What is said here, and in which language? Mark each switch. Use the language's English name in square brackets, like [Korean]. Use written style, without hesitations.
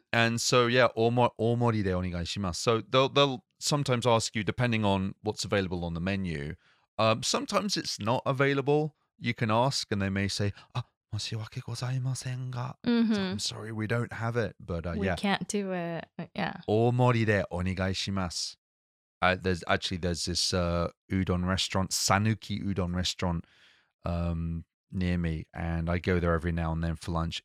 [English] And so, yeah, [Japanese] omori de onegai shimasu. [English] So they'll sometimes ask you, depending on what's available on the menu, sometimes it's not available. You can ask and they may say... Ah, mm-hmm. So I'm sorry, we don't have it, but we can't do it. Yeah. [Japanese] 大盛りでお願いします。 [English] There's this udon restaurant, Sanuki Udon restaurant, near me, and I go there every now and then for lunch.